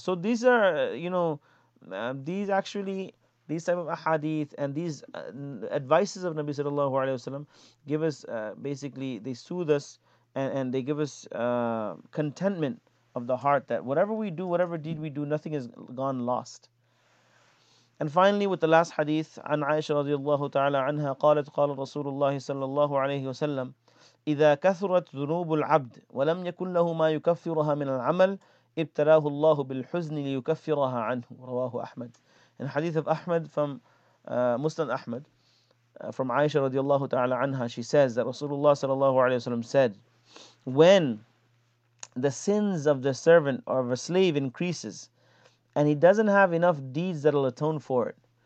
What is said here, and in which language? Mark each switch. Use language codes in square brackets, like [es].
[en] So these are, you know, these type of ahadith and these advices of Nabi sallallahu alayhi wasallam give us basically, they soothe us and they give us contentment of the heart that whatever we do, whatever deed we do, nothing has gone lost. And finally, with the last hadith, [ar] عن عائشة رضي الله تعالى عنها قالت قال رسول الله صلى الله عليه وسلم إذا كثرت ذنوب العبد ولم يكن له ما يكفرها من العمل ابتلاه الله بالحزن ليكفرها عنه رواه أحمد. [en] In hadith of Ahmad from Muslim Ahmad from Aisha radiallahu ta'ala anha, she says that Rasulullah sallallahu alayhi wasallam said, when the sins of the servant or of a slave increases and he doesn't have enough deeds that'll atone for it.